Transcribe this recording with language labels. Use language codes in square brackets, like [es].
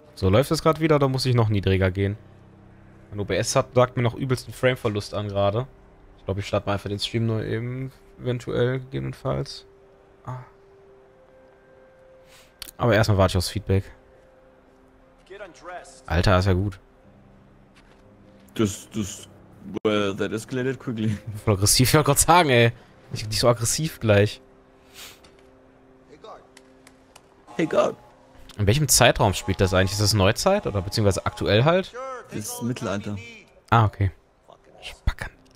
[de] So, läuft es gerade wieder oder muss ich noch niedriger gehen? Mein OBS hat, sagt mir noch übelsten Frameverlust an gerade. Ich glaube, ich starte mal einfach den Stream nur eben eventuell gegebenenfalls. Ah. Aber erstmal warte ich aufs Feedback. Alter, ist ja gut. [en] Das, well, that escalated quickly. [de] Voll aggressiv, ich wollte gerade sagen, ey. Ich bin nicht so aggressiv gleich. [en] Hey, God. [de] In welchem Zeitraum spielt das eigentlich? Ist das Neuzeit oder beziehungsweise aktuell halt? Das ist Mittelalter. Ah, okay. Spacken.